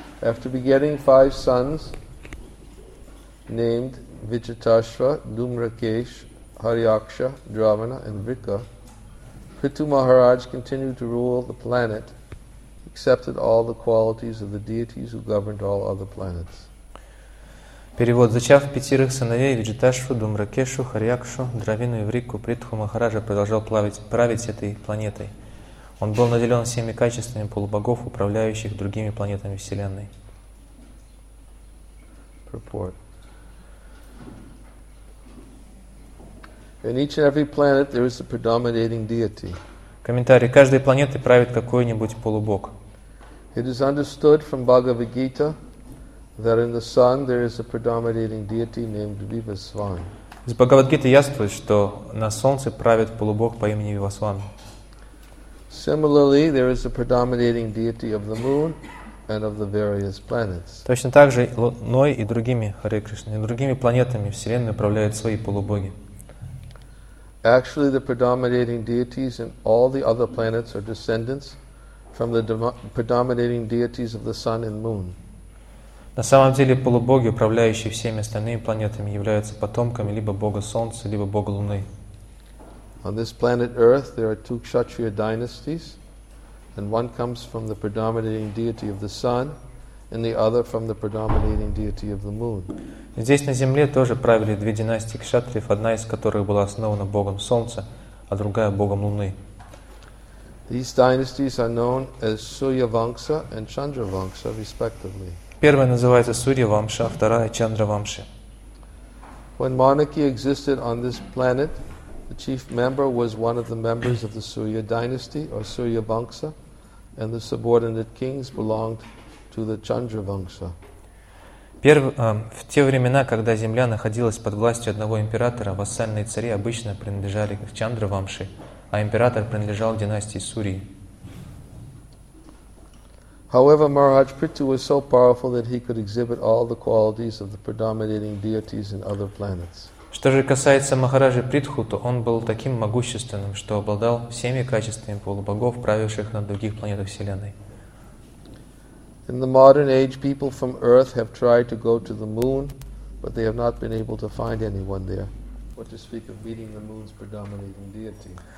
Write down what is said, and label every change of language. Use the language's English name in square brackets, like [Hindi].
[English] After begetting five sons named Vichitashva, Dumrakesh, Hariaksha, Dravana, and Vrika, Prithu Maharaj continued to rule the planet, accepted all the qualities of the deities who governed all other planets. [Russian] Перевод. Зачав пятерых сыновей, Виджиташву, Думракешу, Харьякшу, Дравину и Врику, Притху Махараджа продолжал править этой планетой. Он был наделен всеми качествами полубогов, управляющих другими планетами Вселенной. [English] Purport. In each and every planet there is a predominating deity. [Russian] Комментарий. Каждой планеты правит какой-нибудь полубог. [English] It is understood from Bhagavad Gita that in the sun there is a predominating deity named Vivasvan. [Russian] Из Бхагавад Гиты яствует, что на солнце правит полубог по имени Вивасван. [English] Similarly, there is a predominating deity of the moon and of the various planets. [Russian] Точно так же Луной и другими Харе Кришна, и другими планетами Вселенной управляют свои полубоги. [English] Actually, the predominating deities in all the other planets are descendants from the predominating deities of the sun and moon. [Russian] На самом деле полубоги, управляющие всеми остальными планетами, являются потомками либо Бога Солнца, либо Бога Луны. [English] On this planet Earth, there are two Kshatriya dynasties, and one comes from the predominating deity of the sun, and the other from the predominating deity of the moon. [Russian] Здесь на Земле тоже правили две династии кшатриев, одна из которых была основана Богом Солнца, а другая Богом Луны. [English] These dynasties are known as Suryavamsa and Chandravamsa, respectively. [Russian] Первая называется Сурьявамша, а вторая — Чандравамша. [English] When monarchy existed on this planet, the chief member was one of the members of the Surya dynasty, or Suryavamsa, and the subordinate kings belonged to the Chandravamsa. [Russian] В те времена, когда Земля находилась под властью одного императора, вассальные цари обычно принадлежали к Чандравамше, а император принадлежал к династии Сурьи. [English] However, Maharaj Prithu was so powerful that he could exhibit all the qualities of the predominating deities in other planets. [Russian] Что же касается Махараджи Притху, то он был таким могущественным, что обладал всеми качествами полубогов, правивших на других планетах Вселенной. [English] In the modern age, people from Earth have tried to go to the moon, but they have not been able to find anyone there. What to speak of meeting the moon's predominating deity?